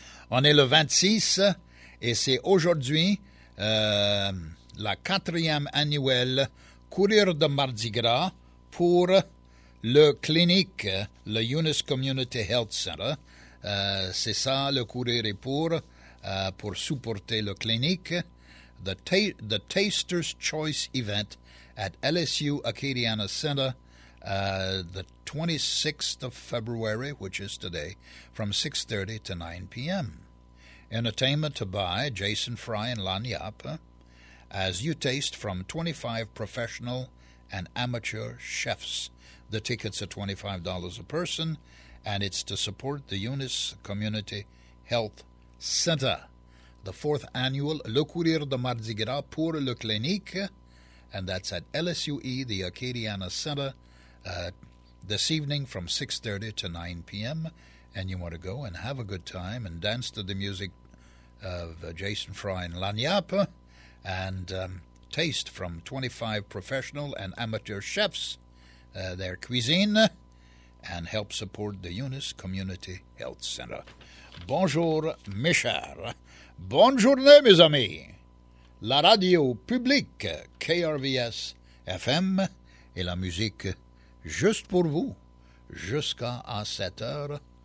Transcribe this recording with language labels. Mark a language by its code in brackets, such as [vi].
[fr] On est le 26 et c'est aujourd'hui la quatrième annuelle Courir de Mardi Gras pour le clinique, le Yunus Community Health Center. C'est ça, le courir est pour supporter le clinique. [en] The Taster's Choice Event at LSU Acadiana Center, the 26th of February, which is today, from 6:30 to 9 p.m. Entertainment by Jason Fry and Lan Yap, as you taste from 25 professional and amateur chefs. The tickets are $25 a person, and it's to support the Yunus Community Health Center. The fourth annual Le Courir de Mardi Gras pour le clinique, and that's at LSUE, the Acadiana Center, this evening from 6:30 to 9 p.m. And you want to go and have a good time and dance to the music of Jason Fry and Lan Yap, and taste from 25 professional and amateur chefs their cuisine, and help support the Yunus Community Health Center. [fr] Bonjour, Michel. Bonne journée, mes amis. La radio publique KRVS FM et la musique juste pour vous jusqu'à 7 heures.